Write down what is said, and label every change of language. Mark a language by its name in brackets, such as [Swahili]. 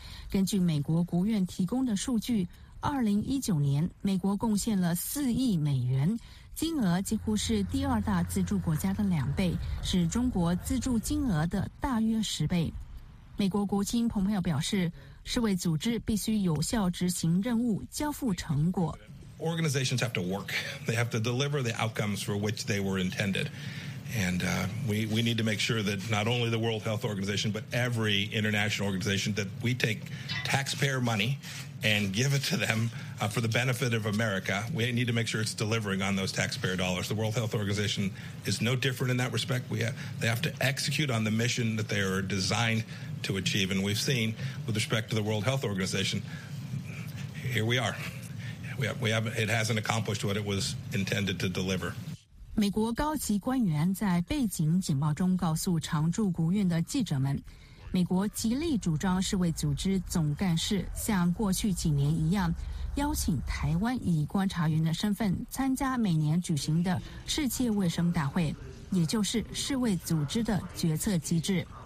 [Chinese] 根据美国国务院提供的数据，2019年美国贡献了4亿美元，金额几乎是第二大资助国家的两倍，是中国资助金额的大约10倍。美国国务卿蓬佩奥表示，世卫组织必须有效执行任务，交付成果。 [English] Organizations have to work. They have to deliver the outcomes for which they were intended. And we need to make sure that not only the World Health Organization, but every international organization, that we take taxpayer money and give it to them for the benefit of America. We need to make sure it's delivering on those taxpayer dollars. The World Health Organization is no different in that respect. They have to execute on the mission that they are designed to achieve. And we've seen with respect to the World Health Organization, here we are. It hasn't accomplished what it was intended to deliver. [Chinese] 美国高级官员在背景简报中告诉常驻国务院的记者们，美国极力主张世卫组织总干事像过去几年一样，邀请台湾以观察员的身份参加每年举行的世界卫生大会，也就是世卫组织的决策机制。